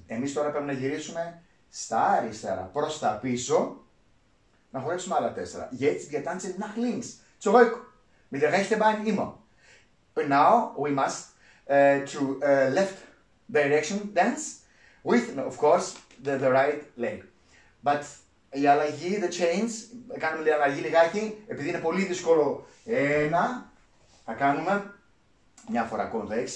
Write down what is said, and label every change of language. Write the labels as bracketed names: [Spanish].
[Greek] Εμείς τώρα πρέπει να γυρίσουμε στα αριστερά, προς τα πίσω, να χωρέσουμε άλλα 4. [German] Jetzt geht es nach links, zurück, mit der rechten Bein immer. [English] Now we must to left direction dance with, of course, the right leg. But [Greek] η αλλαγή, [English] the change, [Greek] θα κάνουμε λίγα αλλαγή λιγάκι, επειδή είναι πολύ δύσκολο. Ένα, θα κάνουμε μια φορά ακόμα 6.